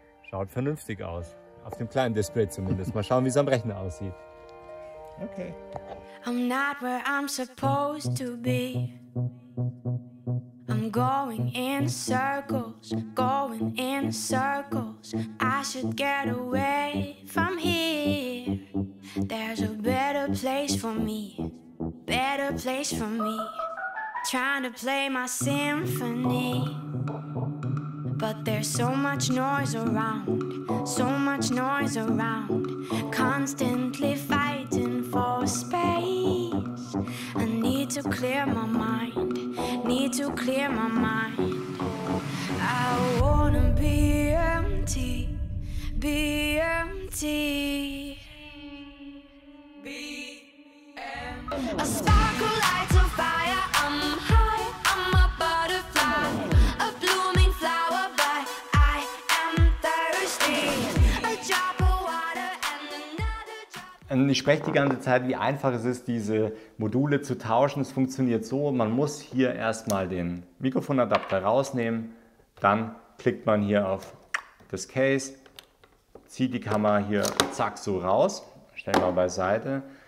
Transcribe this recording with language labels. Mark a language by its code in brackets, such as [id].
[de] Schaut vernünftig aus. Auf dem kleinen Display zumindest. Mal schauen, wie es am Rechner aussieht. [en] Okay. I'm not where I'm supposed to be. I'm going in circles, going in circles. I should get away from here. There's a better place for me. Better place for me. Trying to play my symphony. But there's so much noise around, so much noise around. Constantly fighting for space. I need need to clear my mind, need to clear my mind. I wanna be empty, be empty, be empty. A spark of light of fire, I'm high, I'm a butterfly. A blooming flower, but I am thirsty. A drop of water and another drop. [de] Und ich spreche die ganze Zeit, wie einfach es ist, diese Module zu tauschen. Es funktioniert so, man muss hier erstmal den Mikrofonadapter rausnehmen. Dann klickt man hier auf das Case, zieht die Kamera hier zack so raus, stellen wir beiseite.